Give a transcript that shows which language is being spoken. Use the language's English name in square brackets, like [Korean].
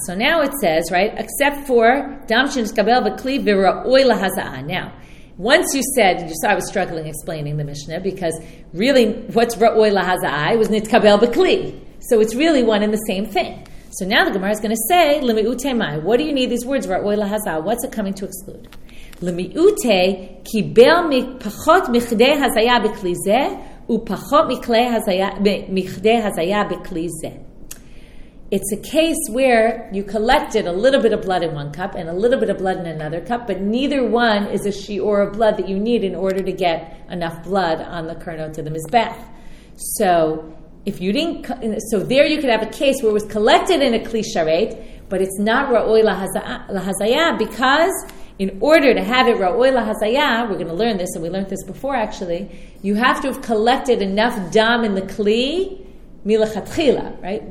[English] So now it says, right, except for [Hebrew] dam shenitkabel b'kliv v'ro'oi lahazaa. [English] Now, once you said, you saw I was struggling explaining the Mishnah, because really, what's ra'oi lahaza'ai was nitkabel b'kli. So it's really one and the same thing. So now the Gemara is going to say, l'mi'utemai, what do you need these words, ra'oi lahaza'ai? What's it coming to exclude? [Hebrew] למיעוטי קיבל פחות מכדי הזיה בכלי זה ופחות מכדי הזיה בכלי זה. [English] It's a case where you collected a little bit of blood in one cup and a little bit of blood in another cup, but neither one is a shiur of blood that you need in order to get enough blood on the kernot to the mizbech. So if you didn't, so there you could have a case where it was collected in a kli sharet, but it's not ra'oi lahazaya, because in order to have it ra'oi lahazaya, we're going to learn this, and we learned this before actually, you have to have collected enough dam in the kli milachatchila, right?